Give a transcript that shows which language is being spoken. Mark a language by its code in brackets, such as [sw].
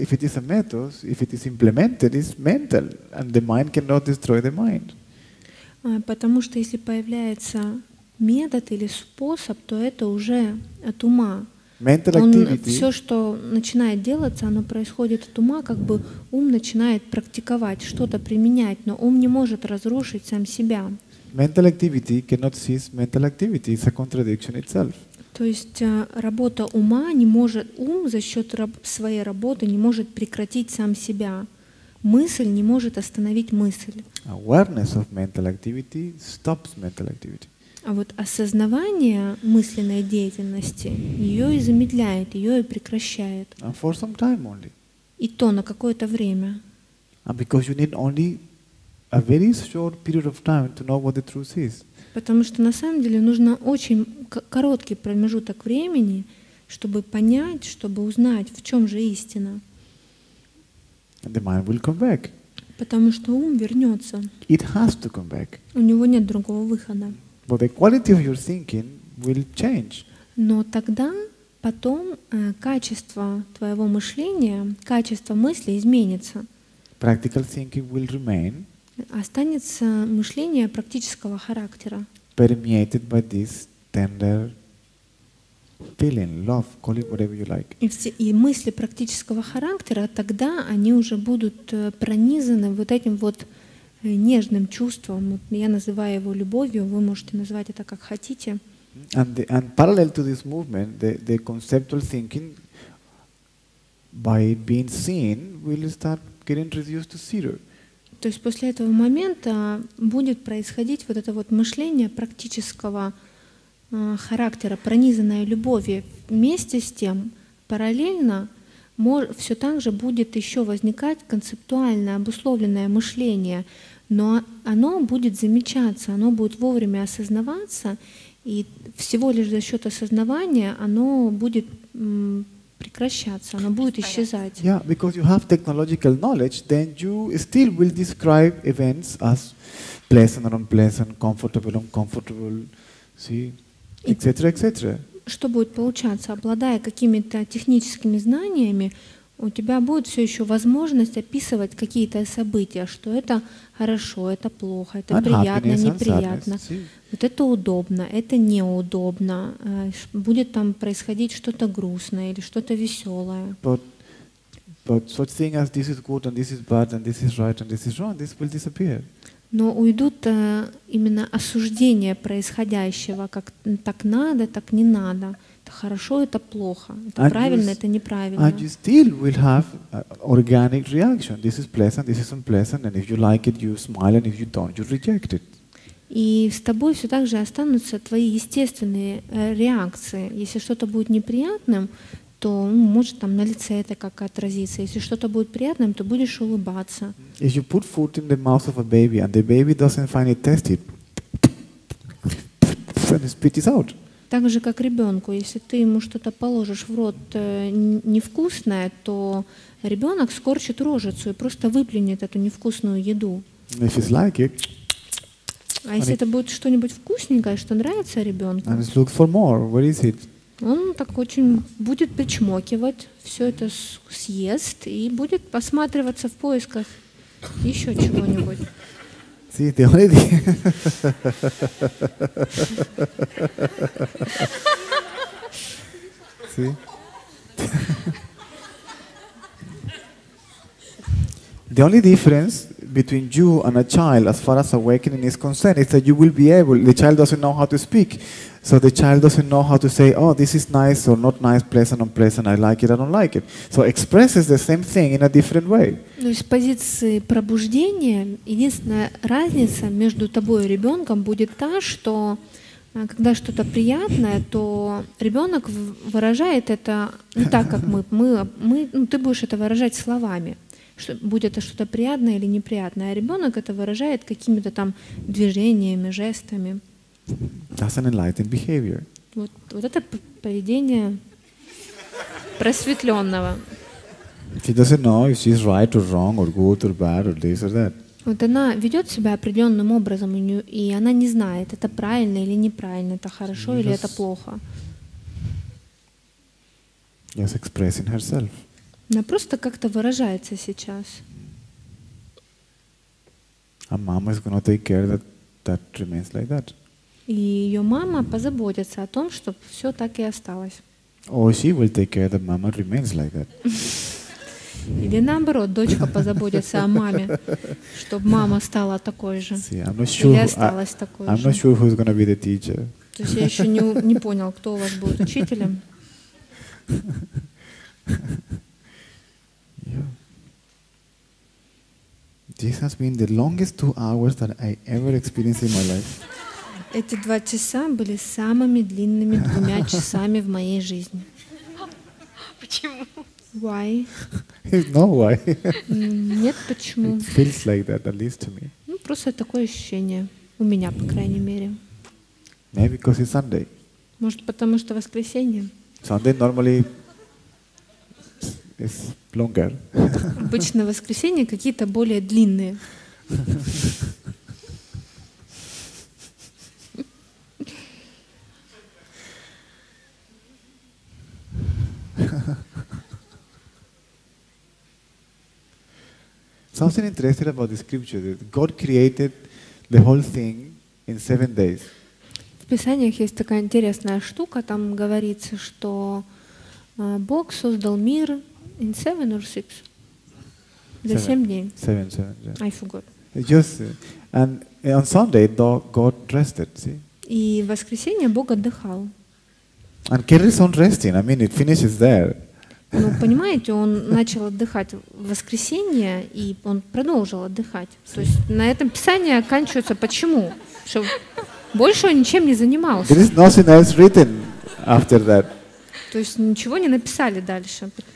[en] If it is a method, if it is implemented, it's mental, and the mind cannot destroy the mind. [ru] Потому что если появляется метод или способ, то это уже от ума. [en] Mental activity. [ru] Все, что начинает делаться, оно происходит от ума, как бы ум начинает практиковать, что-то применять, но ум не может разрушить сам себя. [en] Mental activity cannot cease mental activity. It's a contradiction itself. [ru] То есть работа ума не может, ум за счет своей работы не может прекратить сам себя. Мысль не может остановить мысль. [en] Awareness of mental activity stops mental activity. [ru] А вот осознавание мысленной деятельности ее и замедляет, ее и прекращает. [en] And for some time only. [ru] И то на какое-то время. [en] And because you need only a very short period of time to know what the truth is. [ru] Потому что на самом деле нужно очень короткий промежуток времени, чтобы понять, чтобы узнать, в чем же истина. [en] And the mind will come back. [ru] Потому что ум вернется. [en] It has to come back. [ru] У него нет другого выхода. [en] But the quality of your thinking will change. [ru] Но тогда, потом, качество твоего мышления, качество мысли изменится. [en] Practical thinking will remain. [ru] Останется мышление практического характера. [en] Permeated by this tender feeling, love, call it whatever you like. [ru] И мысли практического характера, тогда они уже будут пронизаны вот этим вот нежным чувством. Вот я называю его любовью, вы можете назвать это как хотите. [en] And parallel to this movement, the conceptual thinking, by being seen, will start getting reduced to zero. [ru] То есть после этого момента будет происходить вот это вот мышление практического характера, пронизанное любовью. Вместе с тем, параллельно, все так же будет еще возникать концептуальное обусловленное мышление, но оно будет замечаться, оно будет вовремя осознаваться, и всего лишь за счет осознавания оно будет прекращаться, оно будет исчезать. [en] Yeah, because you have technological knowledge, then you still will describe events as pleasant or unpleasant, comfortable, uncomfortable, see, etc. [ru] Что будет получаться, обладая какими-то техническими знаниями, у тебя будет все еще возможность описывать какие-то события, что это хорошо, это плохо, это приятно, неприятно. Вот это удобно, это неудобно. Будет там происходить что-то грустное или что-то веселое. [en] But such thing as this is good and this is bad and this is right and this is wrong, this will disappear. [ru] Но уйдут именно осуждения происходящего, как так надо, так не надо. Это хорошо, это плохо. Это [en] and [ru] правильно, [en] you, [ru] это неправильно. [en] And you still will have organic reaction. This is pleasant, this is unpleasant, and if you like it, you smile, and if you don't, you reject it. [ru] И с тобой все так же останутся твои естественные реакции. Если что-то будет неприятным, то может там на лице это как отразиться. Если что-то будет приятным, то будешь улыбаться. [en] If you put food in the mouth of a baby and the baby doesn't find it tasty, then it spits out. [ru] Так же, как ребенку, если ты ему что-то положишь в рот невкусное, то ребенок скорчит рожицу и просто выплюнет эту невкусную еду. [en] If it's like it, [ru] а если it, это будет что-нибудь вкусненькое, что нравится ребенку, [en] and look for more. Where is it? [ru] Он так очень будет причмокивать, все это съест и будет посматриваться в поисках еще чего-нибудь. [en] See, the only thing the only difference between you and a child as far as awakening is concerned is that you will be able, the child doesn't know how to speak, so the child doesn't know how to say, oh, this is nice or not nice, pleasant, unpleasant, I like it, I don't like it. So expresses the same thing in a different way. [ru] То есть с позиции пробуждения единственная разница между тобой и ребенком будет та, что когда что-то приятное, то ребенок выражает это не так, как мы ну, ты будешь это выражать словами. Что, будет это что-то приятное или неприятное, а ребенок это выражает какими-то там движениями, жестами. [en] That's an enlightened behavior. [ru] Вот это поведение просветленного. [en] She doesn't know if she's right or wrong or good or bad or this or that. [ru] Вот она ведет себя определенным образом, и она не знает, это правильно или неправильно, это хорошо или это плохо. [en] Just expressing herself. [ru] Она просто как-то выражается сейчас. [en] And mama is gonna take care that remains like that. [ru] И ее мама позаботится о том, чтобы все так и осталось. [en] Or she will take care that mama remains like that. [ru] Или наоборот, дочка позаботится о маме, чтобы мама стала такой же. [en] I'm not sure who's going to be the teacher. [ru] То есть я еще не понял, кто у вас будет учителем. [en] This has been the longest 2 hours that I ever experienced in my life. [ru] Эти 2 часа были самыми длинными 2 часами в моей жизни. Почему? [en] Why? No why. [ru] Нет, почему? [en] It feels like that, at least to me. [ru] Ну, просто такое ощущение у меня, по крайней мере. [en] Maybe because it's Sunday. [ru] Может, потому что воскресенье? [en] Sunday normally is longer. [ru] Обычно воскресенье какие-то более длинные. [en] Something interesting about the scripture that God created the whole thing in 7 days. [ru] В Писаниях есть такая интересная штука, там говорится, что Бог создал мир [en] in 7 or 6. [ru] За 7 дней. [en] Seven, yeah. I forgot. Just and on Sunday God rested, see? [ru] И в воскресенье Бог отдыхал. [en] And carries on resting. I mean, it finishes there. [ru] Ну, понимаете, он начал отдыхать в воскресенье, и он продолжил отдыхать. То есть на этом Писание оканчивается. Почему? Что больше он ничем не занимался. [en] There is nothing else written after that. [ru] То есть ничего не написали дальше.